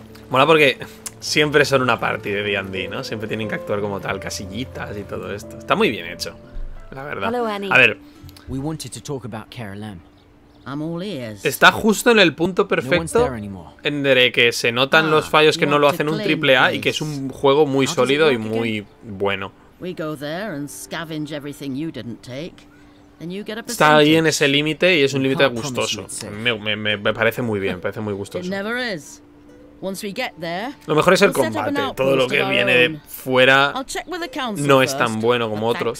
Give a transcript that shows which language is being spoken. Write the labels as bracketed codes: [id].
[es] Mola porque siempre son una party de D&D, ¿no? Siempre tienen que actuar como tal, casillitas y todo esto. Está muy bien hecho, la verdad. [en] Hello, Annie. [es] A ver. [en] We wanted to talk about Kerelem. I'm all ears. [es] Está justo en el punto perfecto en el que se notan los fallos que no lo hacen un triple A y que es un juego muy sólido y muy bueno. [en] We go there and scavenge everything you didn't take. [es] Está ahí en ese límite y es un límite gustoso. Me parece muy bien, parece muy gustoso. Lo mejor es el combate. Todo lo que viene de fuera no es tan bueno como otros.